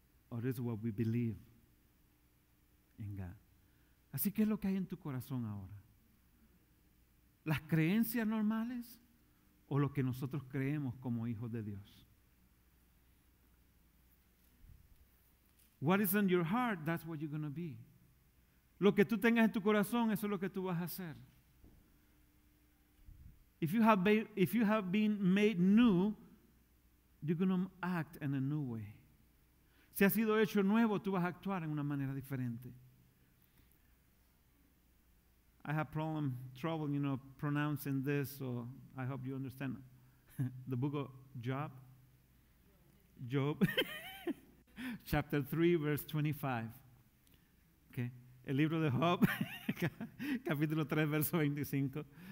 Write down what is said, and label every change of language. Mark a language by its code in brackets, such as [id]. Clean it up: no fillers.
[en] Or is it what we believe in God? [es] Así que es lo que hay en tu corazón ahora. ¿Las creencias normales o lo que nosotros creemos como hijos de Dios? [en] What is in your heart, that's what you're going to be. [es] Lo que tú tengas en tu corazón, eso es lo que tú vas a hacer. [en] If you have been made new, you're going to act in a new way. [es] Si has sido hecho nuevo, tú vas a actuar en una manera diferente. [en] I have trouble, you know, pronouncing this, so I hope you understand. The book of Job, chapter 3, verse 25. [es] Okay. El libro de Job, capítulo 3, verso 25.